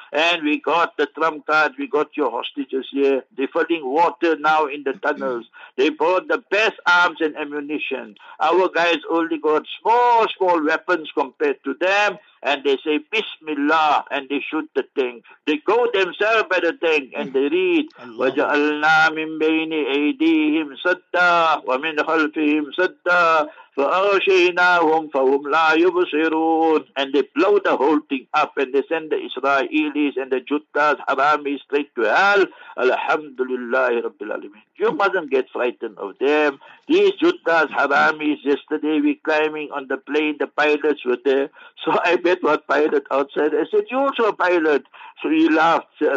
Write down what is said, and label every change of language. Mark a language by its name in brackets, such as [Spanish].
[English] And we got the trump card, we got your hostages here. They're filling water now in the tunnels. They brought the best arms and ammunition. Our guys only got small weapons compared to them. and they say Bismillah and they shoot the thing. They go themselves by the thing and they read [Arabic] وَجَعَلْنَا مِنْ بَيْنِ أَيْدِيهِمْ سَدَّا وَمِنْ خَلْفِهِمْ سَدَّا فَأَغْشَيْنَاهُمْ فَهُمْ لَا يُبْصِرُونَ. [English] And they blow the whole thing up and they send the Israelis and the Juttas, Haramis, straight to hell. Alhamdulillah Rabbil Alameen. You mustn't get frightened of them. These Juttas, Haramis, yesterday we climbing on the plane, the pilots were there. So I met one pilot outside. I said, you also a pilot? So he laughed.